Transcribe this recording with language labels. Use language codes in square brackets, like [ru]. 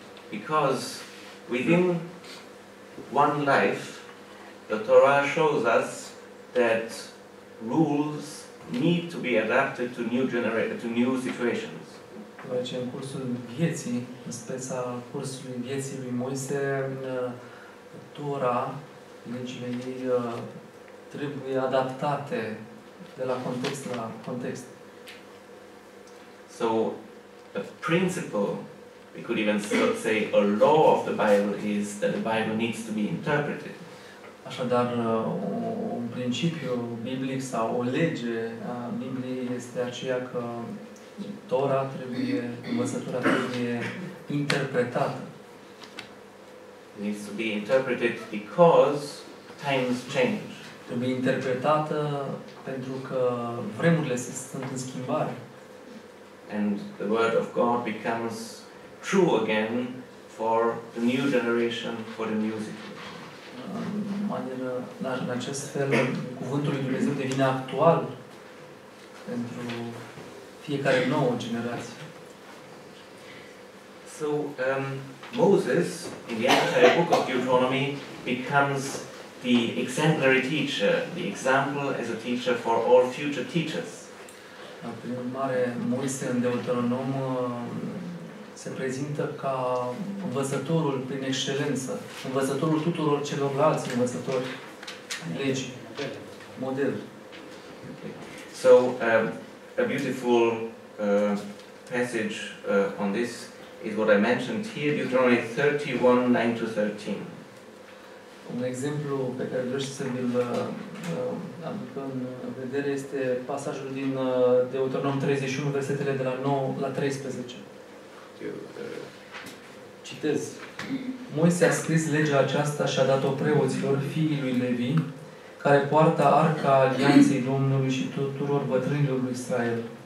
[en] Because within one life, the Torah shows us that rules need to be adapted to new situations. [ro] Deci în cursul vieții, în speța cursului vieții lui Moise, tura legile lui trebuie adaptate de la context la context. [en] So a principle, we could even say a law of the Bible, is that the Bible needs to be interpreted. [ro] Așadar, un principiu biblic sau o lege a Bibliei este aceea că Tora trebuie, învățătura trebuie interpretată. [en] It needs to be interpreted because times change. [ro] Trebuie interpretată pentru că vremurile se sunt în schimbare. [en] And the word of God becomes true again for the new generation, for the new situation. [ro] În acest fel, cuvântul lui Dumnezeu devine actual pentru fiecare nouă generație. [en] So Moses, in the entire book of Deuteronomy, becomes the exemplary teacher, the example as a teacher for all future teachers. [ro] Prin urmare, Moise în Deuteronom se prezintă ca învățătorul prin excelență, învățătorul tuturor celorlalți învățători legii, model. [en] So, a beautiful passage on this is what I mentioned here, Deuteronomy 31:9-13. [ro] Un exemplu pe care vreau să vi-l aduc în vedere este pasajul din Deuteronom 31, versetele de la 9 la 13. Citez. Moise a scris legea aceasta și a dat-o preoților, fiii lui Levi, care poartă arca alianței Domnului și tuturor bătrânilor lui Israel.